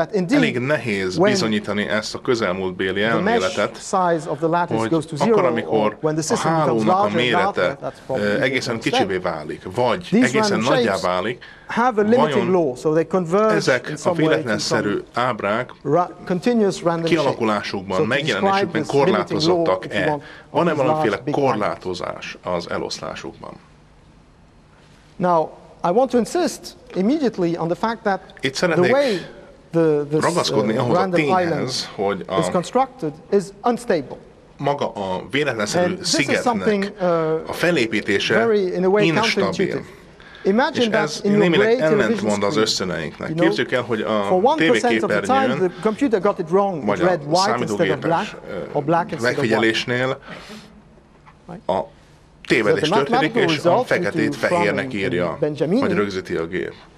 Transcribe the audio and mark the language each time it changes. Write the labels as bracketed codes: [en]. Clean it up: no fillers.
[hu] Elég nehéz bizonyítani ezt a közelmúltbéli elméletet, hogy akkor, amikor a hálónak a mérete egészen kicsivé válik, vagy egészen nagyjá válik, vajon ezek a véletlenszerű ábrák kialakulásukban, megjelenésükben korlátozottak-e? Van-e valamiféle korlátozás az eloszlásukban? [en] Now, I want to insist immediately on the fact that the way the random island is constructed is unstable. [hu] Maga a véletlenszerű szigetnek a felépítése instabil. [en] Imagine [hu] és ez némileg ellentmond az ösztöneinknek. Képzeljük el, hogy a tévéképernyőn, vagy a számítógépes megfigyelésnél a tévedés történik, és a feketét fehérnek írja, vagy rögzíti a gép.